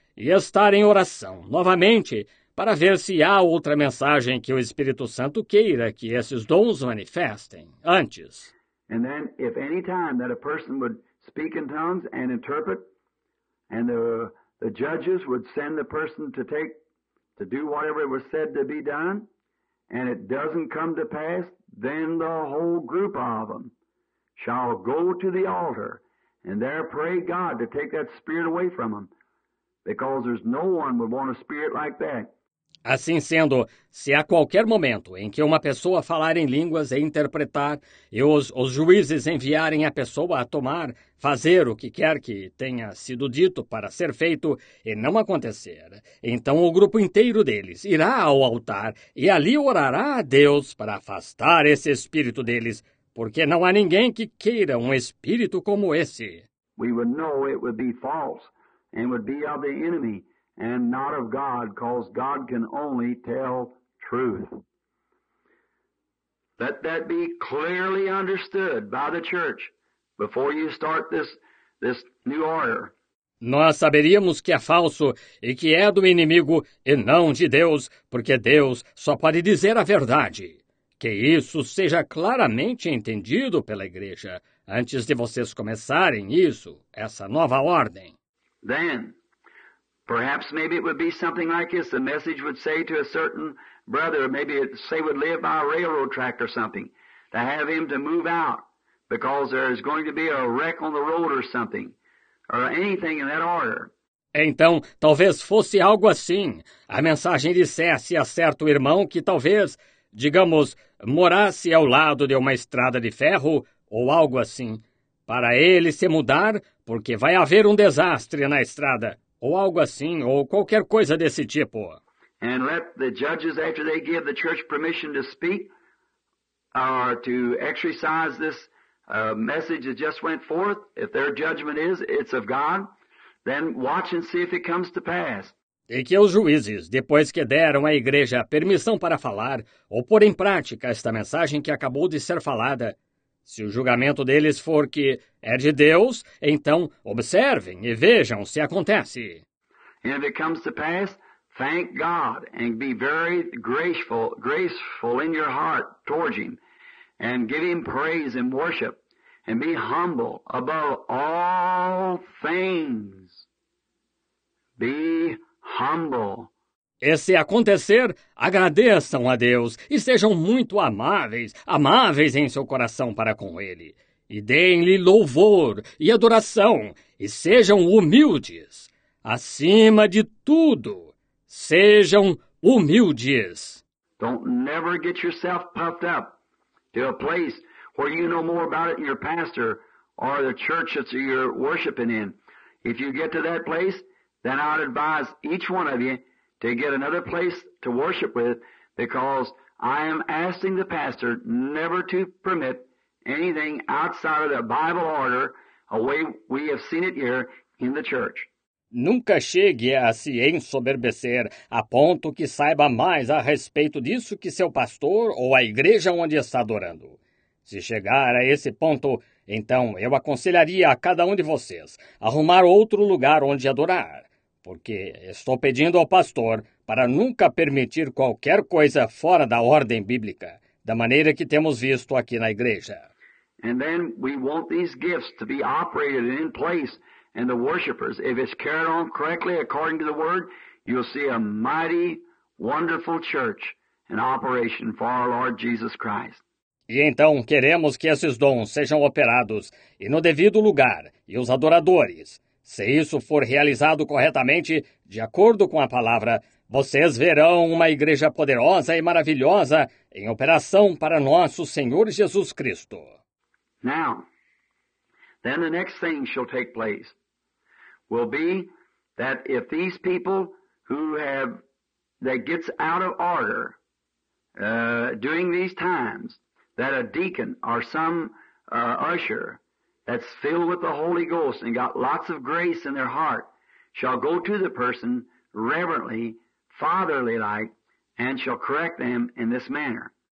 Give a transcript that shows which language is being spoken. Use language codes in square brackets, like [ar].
[pt] estar em oração novamente para ver se há outra mensagem que o Espírito Santo queira que esses dons manifestem antes. [en] And then if any time that a person would speak in tongues and interpret, and the judges would send the person to take to do whatever was said to be done, and it doesn't come to pass, then the whole group of them shall go to the altar and there pray God to take that spirit away from them, because there's no one would want a spirit like that. [pt] Assim sendo, se há qualquer momento em que uma pessoa falar em línguas e interpretar, e os juízes enviarem a pessoa a tomar, fazer o que quer que tenha sido dito para ser feito e não acontecer, então o grupo inteiro deles irá ao altar e ali orará a Deus para afastar esse espírito deles, porque não há ninguém que queira um espírito como esse. [en] We would know it would be false and would be of the enemy. And not of God, because God can only tell truth. Let that be clearly understood by the church before you start this new order. [pt] Nós saberíamos que é falso e que é do inimigo e não de Deus, porque Deus só pode dizer a verdade. Que isso seja claramente entendido pela igreja antes de vocês começarem isso, essa nova ordem. [en] Then, perhaps maybe it would be something like this. The message would say to a certain brother, maybe it say would live by a railroad track or something, to have him to move out because there is going to be a wreck on the road or something, or anything in that order. [pt] Então, talvez fosse algo assim. A mensagem dissesse a certo irmão que talvez, digamos, morasse ao lado de uma estrada de ferro ou algo assim, para ele se mudar porque vai haver um desastre na estrada. Ou algo assim, ou qualquer coisa desse tipo. [en] And let the judges, after they give the church permission to speak, or to exercise this message that just went forth, if their judgment is, it's of God, then watch and see if it comes to pass. [pt] E que os juízes, depois que deram à igreja permissão para falar, ou pôr em prática esta mensagem que acabou de ser falada, se o julgamento deles for que é de Deus, então observem e vejam se acontece. [en] And if it comes to pass, thank God and be very graceful in your heart towards him and give him praise and worship and be humble above all things. Be humble. [pt] E se acontecer, agradeçam a Deus e sejam muito amáveis em seu coração para com Ele. E deem-lhe louvor e adoração e sejam humildes. Acima de tudo, sejam humildes. [en] Don't never get yourself puffed up to a place where you know more about it than your pastor or the church that you're worshiping in. If you get to that place, then I'd advise each one of you to get another place to worship with, because I am asking the pastor never to permit anything outside of the Bible order, a way we have seen it here in the church. [pt] Nunca chegue a se ensoberbecer a ponto que saiba mais a respeito disso que seu pastor ou a igreja onde está adorando. Se chegar a esse ponto, então eu aconselharia a cada um de vocês arrumar outro lugar onde adorar. Porque estou pedindo ao pastor para nunca permitir qualquer coisa fora da ordem bíblica, da maneira que temos visto aqui na igreja. [en] And then we want these gifts to be operated in place and the worshipers, if it's carried on correctly according to the word, you'll see a mighty wonderful church in operation for our Lord Jesus Christ. [pt] E então queremos que esses dons sejam operados e no devido lugar e os adoradores. Se isso for realizado corretamente, de acordo com a palavra, vocês verão uma igreja poderosa e maravilhosa em operação para nosso Senhor Jesus Cristo. [en] Now, then the next thing shall take place will be that if these people who have, that gets out of order during these times, that a deacon or some usher that's filled with the Holy Ghost and got lots of grace in their heart, shall go to the person reverently, fatherly-like, and shall correct them in this manner.